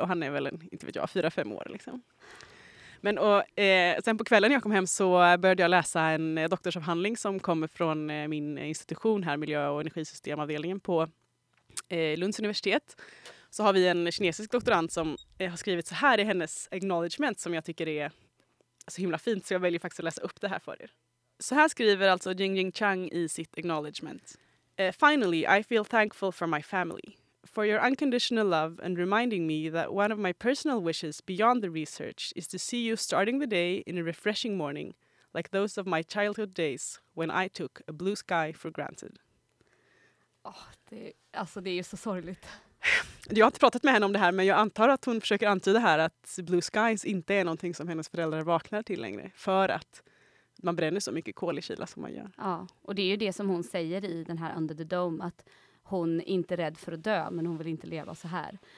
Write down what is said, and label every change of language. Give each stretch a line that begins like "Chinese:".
Swedish: Och han är väl, inte vet jag, 4-5 år liksom. Men sen på kvällen jag kom hem så började jag läsa en doktorsavhandling som kommer från min institution här, miljö- och energisystemavdelningen på Lunds universitet, så har vi en kinesisk doktorand som har skrivit så här i hennes acknowledgement som jag tycker är så himla fint, så jag väljer faktiskt att läsa upp det här för er. Så här skriver alltså Jingjing Chang i sitt acknowledgement.
English: Finally, I feel thankful for my family, for your unconditional love and reminding me that one of my personal wishes beyond the research is to see you starting the day in a refreshing morning like those of my childhood days when I took a blue sky for granted.
Swedish: Oh, det är ju så sorgligt. Jag har inte pratat med henne om det här, men jag antar att hon försöker antyda här att blue skies inte är någonting som hennes föräldrar vaknar till längre. För att man bränner så mycket kol i Kina som man gör. Ja, och det är ju det som hon säger i den här Under the Dome. Att hon inte är rädd för att dö, men hon vill inte leva så här.